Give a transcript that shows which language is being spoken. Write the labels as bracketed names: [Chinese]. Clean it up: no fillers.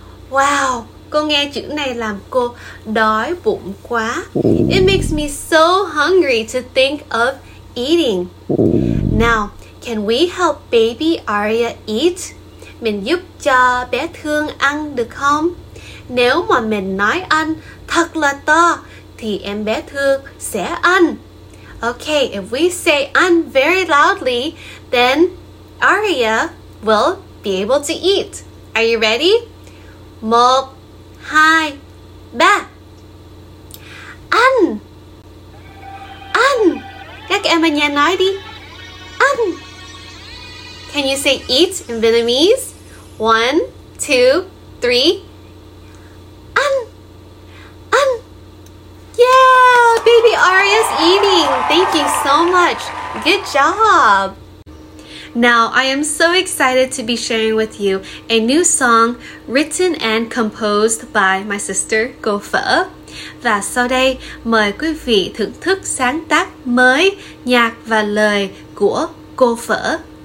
[Vietnamese] Wow, cô nghe chữ này làm cô đói bụng quá. [English] It makes me so hungry to think of eating. Now, can we help baby Aria eat? [Vietnamese] Mình giúp cho bé Thương ăn được không? Nếu mà mình nói ăn thật là to, thì em bé Thương sẽ ăn. [English] Okay, if we say ăn very loudly, then Aria will be able to eat. Are you ready? [Vietnamese] Một, hai, ba. Ăn. Ăn. Các em ở nhà nói đi. Ăn. [English] Can you say eat in Vietnamese? One, two, three. Ăn. Ăn. Yeah, baby Aria's eating. Thank you so much. Good job. Now, I am so excited to be sharing with you a new song written and composed by my sister, Go Phở. [Vietnamese] Và sau đây, mời quý vị thưởng thức sáng tác mới nhạc và lời của Go Phở.